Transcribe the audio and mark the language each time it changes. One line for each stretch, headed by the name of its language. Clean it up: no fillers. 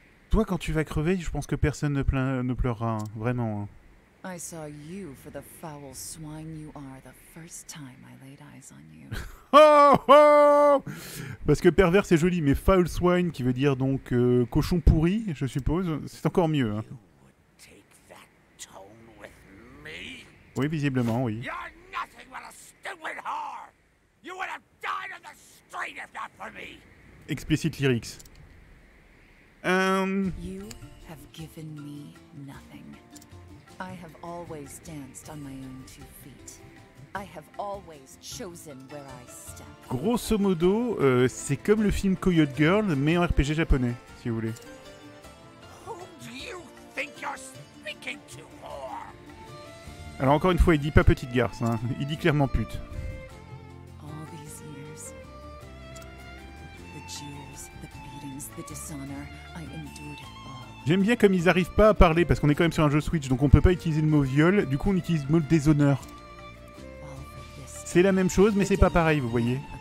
French: Toi, quand tu vas crever, je pense que personne ne pleurera, hein. Vraiment. Hein.
English: I saw you for the foul swine you are the first time I laid eyes on you. Oh, oh!
French: Parce que pervers c'est joli, mais
English: foul swine
French: qui veut dire donc cochon pourri, je suppose, c'est encore mieux.
English: Hein. You would take that tone with me?
French: Oui, visiblement, oui.
English: You're nothing but a stupid whore! You would have died on the street if not for me! Explicit lyrics. You have given me nothing. I have always danced on my own two feet. I have always chosen where I step.
French: Grosso modo, c'est comme le film Coyote Girl, mais en RPG japonais, si vous voulez.
English: Who do you think you're speaking to, whore?
French: Alors encore une fois, il dit pas petite garce, hein. Il dit clairement pute.
English: All these years, the jeers, the beatings, the dishonor, I endured it.
French: J'aime bien comme ils arrivent pas à parler, parce qu'on est quand même sur un jeu Switch, donc on peut pas utiliser le mot viol, du coup on utilise le mot déshonneur. C'est la même chose, mais c'est pas pareil, vous voyez.